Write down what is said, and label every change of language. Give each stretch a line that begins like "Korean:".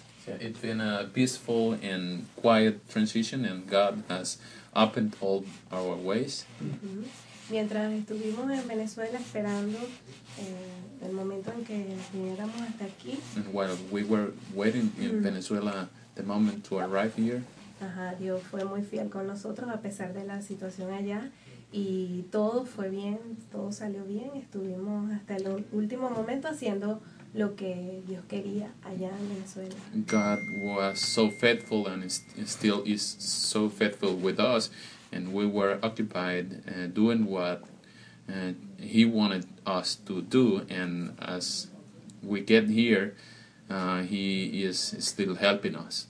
English: Yeah, it's been a peaceful and quiet transition, and God has opened all our ways.
Spanish: Mientras estuvimos en Venezuela esperando el momento en que viniéramos hasta aquí.
English: And while we were waiting in Venezuela, the moment to arrive here.
Spanish: Ajá, Dios fue muy fiel con nosotros a pesar de la situación allá y todo fue bien, todo salió bien. Estuvimos hasta el último momento haciendo lo que Dios quería allá en Venezuela.
English: God was so faithful and still is so faithful with us, and we were occupied doing what He wanted us to do. And as we get here, He is still helping us.